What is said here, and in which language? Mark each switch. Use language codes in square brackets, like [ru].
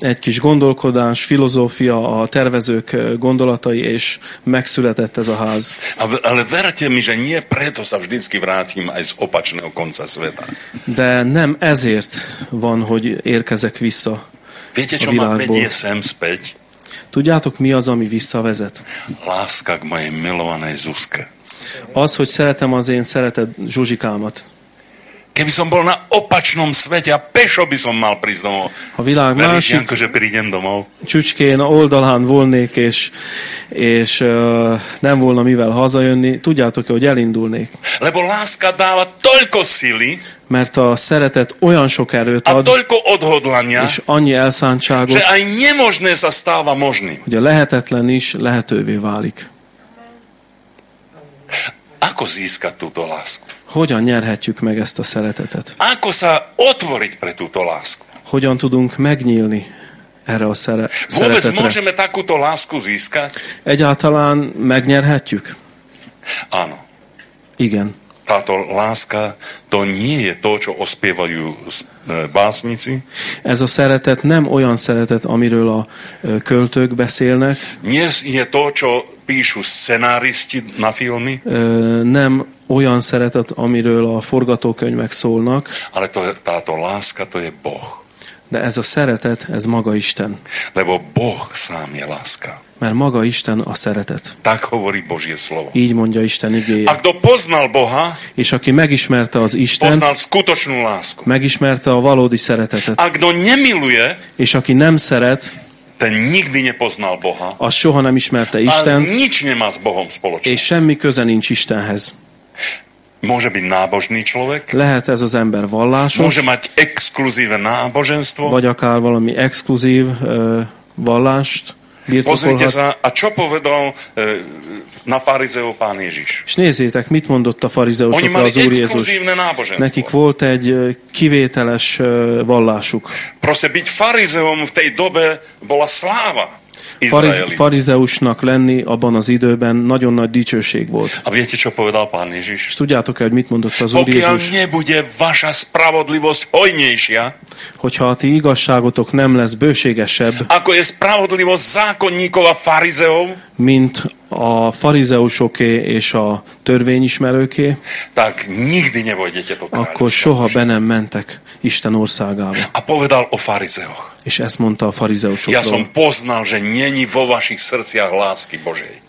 [hu] Egy kis gondolkodás, filozófia, a tervezők gondolatai, és megszületett ez a ház. [sk] Ale verte mi, že nie preto sa vždycky vrátim aj z opačného konca sveta. [hu] De nem ezért van, hogy érkezek vissza. [sk] Viete, čo ma vedie sem späť? [hu] Tudjátok, mi az, ami visszavezet? [sk] Láska k mojej milovanej Zuzke. [hu] Az, hogy szeretem az én szeretett Zsuzsikámat. [sk] Keby som bol na opačnom svete a pešo by som mal prísť domov. [hu] A világ másik csücskén oldalán volnék, és nem volna mivel hazajönni. Tudjátok, hogy elindulnék. [sk] Lebo láska dáva toľko sily. [hu] Mert a szeretet olyan sok erőt ad. [sk] A toľko odhodlania. [hu] És annyi elszántságot. [sk] Že aj nemožné sa stáva možným. [hu] Hogy a lehetetlen is lehetővé válik. [sk] Ako získať túto lásku? [hu] Hogyan nyerhetjük meg ezt a szeretetet? [sk] Ako sa otvoriť pre túto lásku? [hu] Hogyan tudunk megnyílni erre a szeretetre? [sk] Vôbec môžeme takúto lásku získať? [hu] Egyáltalán megnyerhetjük? [sk] Áno. [hu] Igen. [sk] Táto láska, to nie je to, čo ospievajú básnici. [hu] Ez a szeretet nem olyan szeretet, amiről a költők beszélnek. [sk] Nie je to, čo píšu scenáristi na filmy. [hu] Nem olyan szeretet, amiről a forgatókönyvek szólnak. [sk] Ale to, táto láska, to je Boh. [hu] De ez a szeretet, ez maga Isten. [sk] Lebo Boh sám je láska. [hu] Mert maga Isten a szeretet. [sk] Tak hovorí Božie slovo. [hu] Így mondja Isten igéje. [sk] A kto poznal Boha, [hu] és aki megismerte az Isten, [sk] poznal skutočnú lásku. [hu] Megismerte a valódi szeretetet. [sk] A kto nemiluje, [hu] és aki nem szeret, [sk] ten nikdy nepoznal Boha. [hu] Az soha nem ismerte Istent. [sk] Az nič nemá s Bohom spoločné. [hu] És semmi köze nincs Istenhez. [sk] Môže byť nábožný človek? [hu] Lehet ez az ember vallásos? [sk] Môže mať exkluzívne náboženstvo? [hu] Vagy akár valami exkluzív vallást? [sk] Pozrite sa, a čo povedal na farizeu pán Ježiš? [hu] És nézzétek, mit mondott a farizeusokra az Úr Jézus? [sk] Oni mali exkluzívne náboženstvo. [hu] Nekik volt egy kivételes vallásuk. [sk] Proste byť farizeom v tej dobe bola sláva. [hu] Farizeusnak lenni abban az időben nagyon nagy dicsőség volt. [sk] A viete, čo povedal pán Ježiš? [hu] És tudjátok, hogy mit mondott az Úr Jézus? [sk] Pokiaľ nebude vaša spravodlivosť hojnejšia, [hu] hogyha a ti igazságotok nem lesz bőségesebb, [sk] ako je spravodlivosť zákonníkov a farizeov, [hu] mint a farizeusoké és a törvényismerőké, [sk] tak nikdy nevojdete to [hu] akkor soha be nem mentek Isten országába. [sk] A povedal o farizeoch. [hu] És ezt mondta a farizeusokról. [sk] Ja som poznal, že není vo vašich srdciach lásky Božej.